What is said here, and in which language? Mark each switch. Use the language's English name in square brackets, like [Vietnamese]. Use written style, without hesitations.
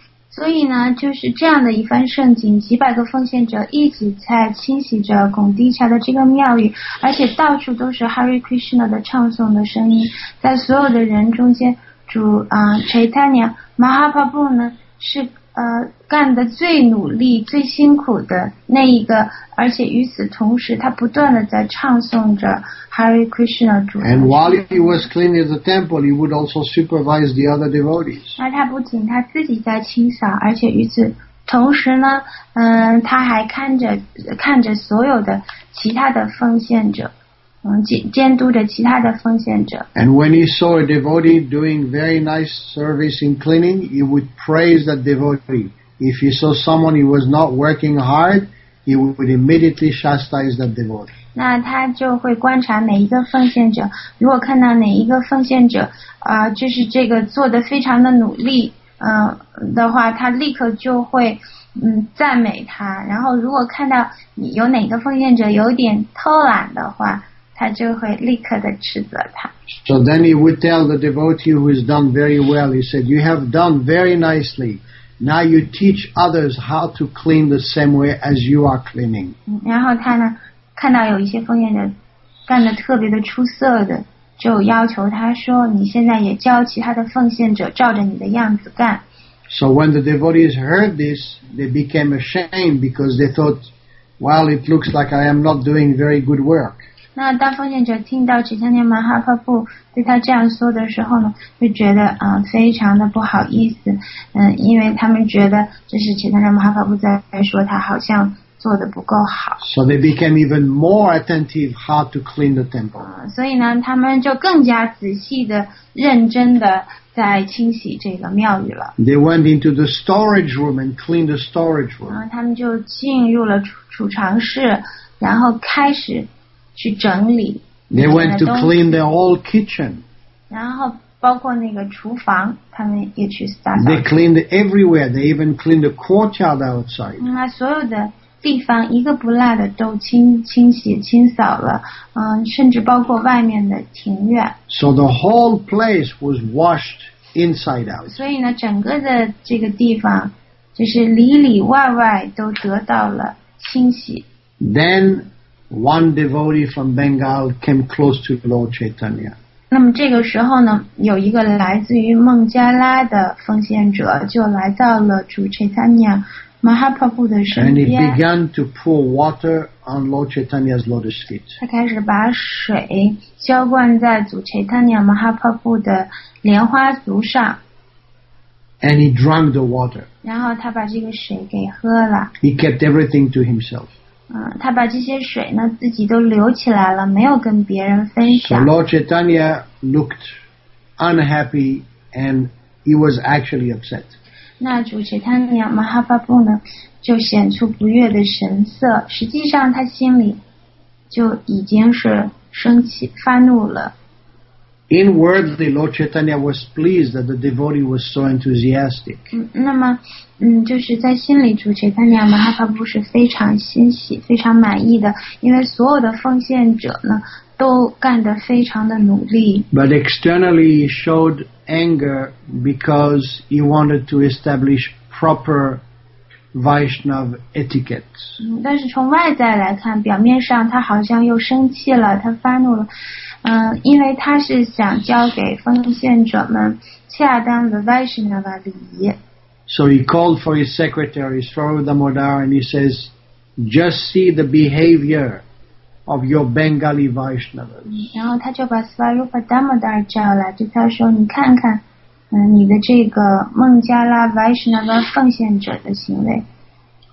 [Chinese] 所以呢，就是这样的一番盛景，几百个奉献者一直在清洗着拱地下的这个庙宇，而且到处都是 Hare Krishna 的唱诵的声音，在所有的人中间，主Chaitanya Mahaprabhu 呢。是干的最努力最辛苦的那一个，而且与此同时他不断的在唱诵着 Hare Krishna 主。 [English] And while he was cleaning the temple, he would also supervise the other devotees. [Chinese] 那他不仅他自己在清扫，而且与此同时呢，他还看着所有的其他的奉献者，监督着其他的奉献者。 [English] And when he saw a devotee doing very nice service in cleaning, he would praise that devotee. If he saw someone who was not working hard, he would immediately chastise that devotee. [Chinese] 那他就会观察每一个奉献者，如果看到哪一个奉献者就是这个做得非常的努力的话，他立刻就会赞美他。然后如果看到你有哪个奉献者有点偷懒的话，他就会立刻的斥责他。 [English] So then he would tell the devotee who has done very well, he said, you have done very nicely, now you teach others how to clean the same way as you are cleaning. [Chinese] 然后他呢看到有一些奉献者干得特别的出色的，就要求他说，你现在也教其他的奉献者照着你的样子干。 [English] So when the devotees heard this, they became ashamed because they thought, well, it looks like I am not doing very good work. [Chinese] 那大奉献者听到只向天马哈帕布对他这样说的时候呢，就觉得非常的不好意思，因为他们觉得这是只向天马哈帕布在说他好像做得不够好。 [English] So they became even more attentive how to clean the temple. [Chinese] 所以呢，他们就更加仔细的、认真的在清洗这个庙宇了。 [English] They went into the storage room and cleaned the storage room. [Chinese] 他们就进入了储藏室，然后开始去整理。 [English] They went to clean the whole kitchen. [Chinese] 然后包括那个厨房，他们也去打扫。 [English] They cleaned everywhere. They even cleaned the courtyard outside. [Chinese] 那所有的地方一个不落的都清洗清扫了，甚至包括外面的庭院。 [English] So the whole place was washed inside out. [Chinese] 所以呢，整个的这个地方就是里里外外都得到了清洗。 [English] Then one devotee from Bengal came close to Lord Chaitanya. [Chinese] 那么这个时候呢，有一个来自于孟加拉的奉献者就来到了主 Chaitanya。 [English] And he began to pour water on Lord Chaitanya's lotus feet. [Chinese] 他开始把水浇灌在主 Chaitanya Mahaprabhu 的莲花足上。 [English] And he drank the water. [Chinese] 然后他把这个水给喝了。 [English] He kept everything to himself. [Chinese] 他把这些水呢自己都留起来了，没有跟别人分享。 [English] So Lord Chaitanya looked unhappy, and he was actually upset. [Chinese] 那主持他娘马哈巴布呢就显出不悦的神色，实际上他心里就已经是生气发怒了。 [English] Inwardly Lord Chaitanya was pleased that the devotee was so enthusiastic. [Chinese] 那么就是在心里主持他娘马哈巴布是非常欣喜非常满意的，因为所有的奉献者呢都干得非常的努力。 [English] But externally he showed anger because he wanted to establish proper Vaishnav etiquette. [Chinese] 但是从外在来看，表面上他好像又生气了，他发怒了，因为他是想教给奉献者们恰当的 Vaishnava 礼仪。 [English] So he called for his secretary, Swarupa Damodar, and he says, just see the behavior. Of your Bengali Vaishnavas. [Chinese] 然后他就把 Swarupa Damodar 叫来，对他说：“你看看，你的这个孟加拉 Vaishnava 奉献者的行为。”